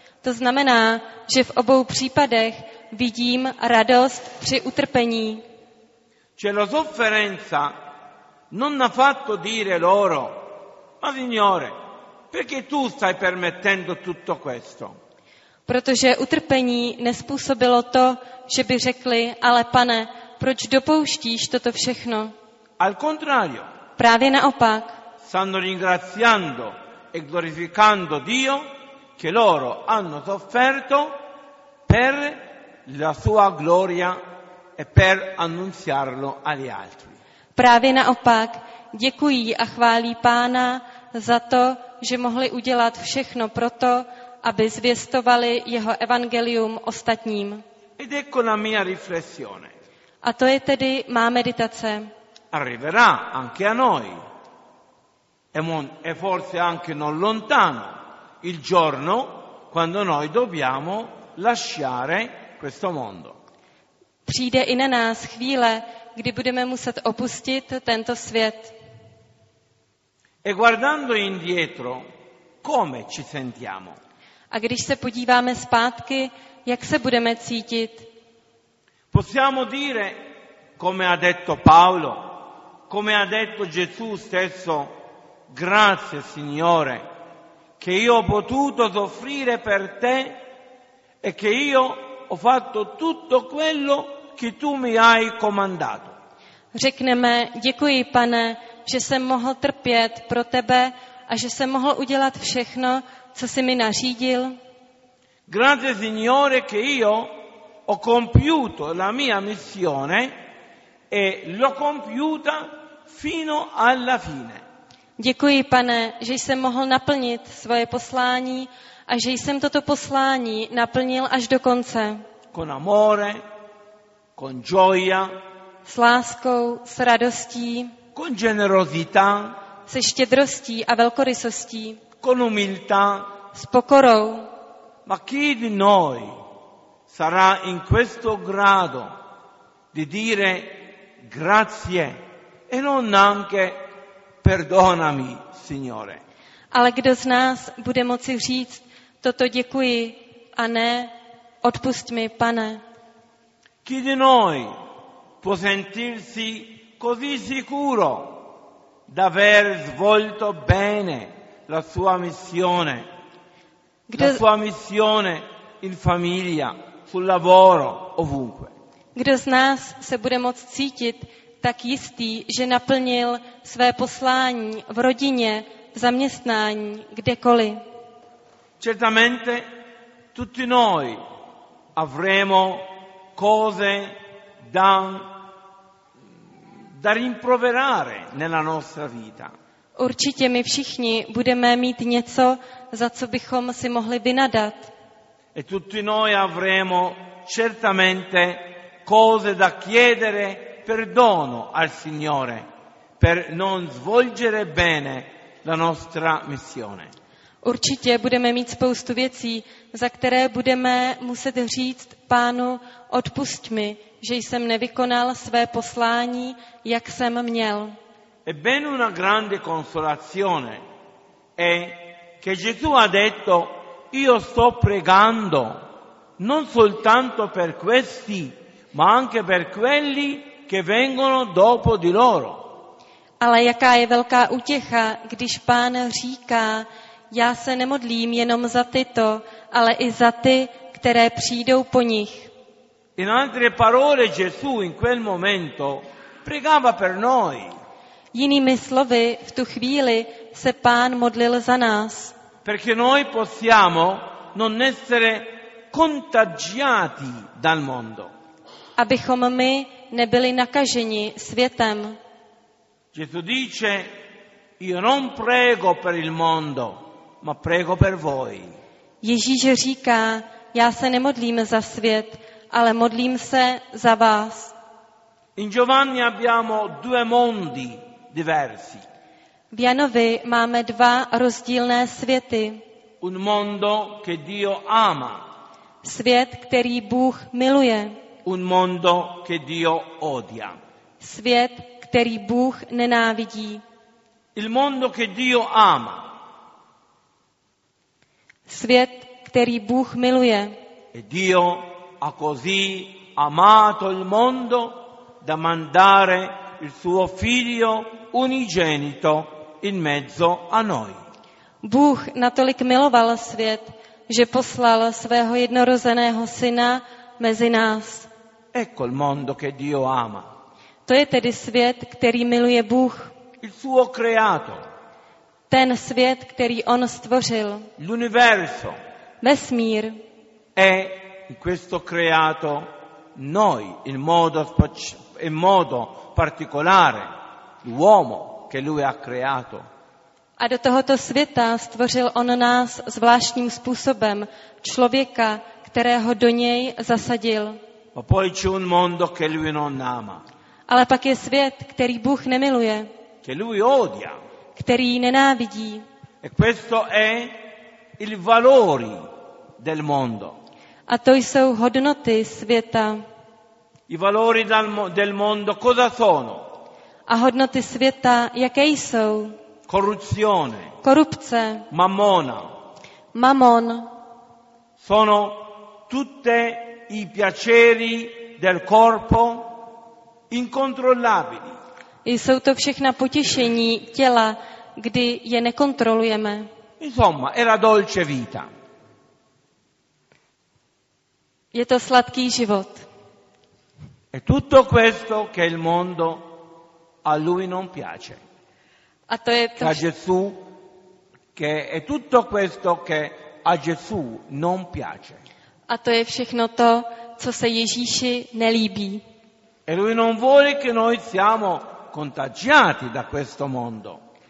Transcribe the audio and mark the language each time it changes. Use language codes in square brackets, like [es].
[cs] To znamená, že v obou případech vidím radost při utrpení. [it] Cioè la sofferenza non ha fatto dire loro: ma Signore, perché tu stai permettendo tutto questo? [cs] Protože utrpení nespůsobilo to, že by řekli: ale Pane, proč dopouštíš toto všechno? [it] Al contrario. [cs] Právě naopak. [it] Stanno ringraziando e glorificando Dio che loro hanno sofferto per la sua gloria e per annunziarlo agli altri. [cs] Právě naopak, děkují a chválí Pána za to, že mohli udělat všechno proto, aby zvěstovali jeho evangelium ostatním. [it] Ed ecco la mia riflessione. [cs] A to je tedy má meditace. [it] Arriverà anche a noi. E forse anche non lontano il giorno quando noi dobbiamo lasciare questo mondo. [cs] Přijde i na nás chvíle, kdy budeme muset opustit tento svět. [it] E guardando indietro, come ci sentiamo? [cs] A když se podíváme zpátky, jak se budeme cítit? [it] Possiamo dire, come ha detto Paolo, come ha detto Gesù stesso: grazie Signore che io ho potuto soffrire per te e che io ho fatto tutto quello che tu mi hai comandato. [cs] Řekneme: děkuji Pane, že jsem mohl trpět pro tebe a že jsem mohl udělat všechno, co jsi mi nařídil. [it] Grazie Signore che io ho compiuto la mia missione e l'ho compiuta fino alla fine. [cs] Děkuji Pane, že jsem mohl naplnit svoje poslání a že jsem toto poslání naplnil až do konce. [it] Con amore, con gioia, [cs] s láskou, s radostí, [it] con generosità, [cs] se štědrostí a velkorysostí, [it] con umiltà, [cs] s pokorou. [it] Ma chi di noi sarà in questo grado di dire grazie e non anche perdonami, Signore. [cs] Ale kdo z nás bude moci říct toto děkuji a ne odpust mi, Pane? [it] Chi di noi può sentirsi così sicuro d'aver svolto bene la sua missione? [cs] Kdo, [it] la sua missione in famiglia, sul lavoro, ovunque. [cs] Kdo z nás se bude moct cítit tak jistý, že naplnil své poslání v rodině, v zaměstnání, kdekoliv? [it] Certamente tutti noi avremo cose da rimproverare nella nostra vita. [cs] Určitě my všichni budeme mít něco, za co bychom si mohli vynadat. [it] E tutti noi avremo certamente cose da chiedere perdono al Signore per non svolgere bene la nostra missione. [cs] Určitě budeme mít spoustu věcí, za které budeme muset říct Pánu: odpusť mi, že jsem nevykonal své poslání, jak jsem měl. [it] E ben una grande consolazione è che Gesù ha detto: io sto pregando non soltanto per questi, ma anche per quelli che vengono dopo di loro. [cs] Ale jaká je velká útěcha, když Pán říká: já se nemodlím jenom za tyto, ale i za ty, které přijdou po nich. [it] In altre parole, Gesù in quel momento pregava per noi. [cs] Jinými slovy, v tu chvíli se Pán modlil za nás. [it] Perché noi possiamo non essere contagiati dal mondo. [cs] Abychom my nebyli nakaženi světem. [it] Gesù dice: Io non prego per il mondo, ma prego per voi. [cs] Ježíš říká: Já se nemodlím za svět, ale modlím se za vás. [it] In Giovanni abbiamo due mondi diversi. [cs] V Janovi máme dva rozdílné světy. [it] Un mondo che Dio ama. [cs] Svět, který Bůh miluje. [it] Un mondo che Dio odia. [cs] Svět, který Bůh nenávidí. [it] Il mondo che Dio ama. [cs] Svět, který Bůh miluje. [it] E Dio ha così amato il mondo da mandare il suo figlio unigenito in mezzo a noi. [cs] Bůh natolik miloval svět, že poslal svého jednorozeného syna mezi nás. [it] Ecco il mondo che Dio ama. [cs] To je tedy svět, který miluje Bůh. [it] Il suo creato. [cs] Ten svět, který on stvořil. [it] L'universo. [cs] Vesmír. [it] È in questo creato noi in modo particolare l'uomo che lui ha creato. [cs] A do tohoto světa stvořil on nás zvláštním způsobem, člověka, kterého do něj zasadil. [it] Ma poi c'è un mondo che lui non ama. [cs] Ale pak je svět, který Bůh nemiluje. [it] Che lui odia. [cs] Který nenávidí. [it] E questo è il valori del mondo. [cs] A to jsou hodnoty světa. [it] I valori del mondo cosa sono? [cs] A hodnoty světa jaké jsou? [it] Corruzione. [cs] Korupce. [it] Mammona. [cs] Mammon. [it] Sono tutte i piaceri del corpo incontrollabili. [cs] Jsou to všechna potěšení těla, kdy je nekontrolujeme. [it] Insomma, è la dolce vita. [cs] Je to sladký život. [it] E tutto questo che il mondo a lui non piace. [cs] A to je to. [it] A Gesù che è tutto questo che a Gesù non piace. [cs] A to je všechno to, co se Ježíši nelíbí. [it] E lui non vuole che noi siamo contagiati da questo mondo.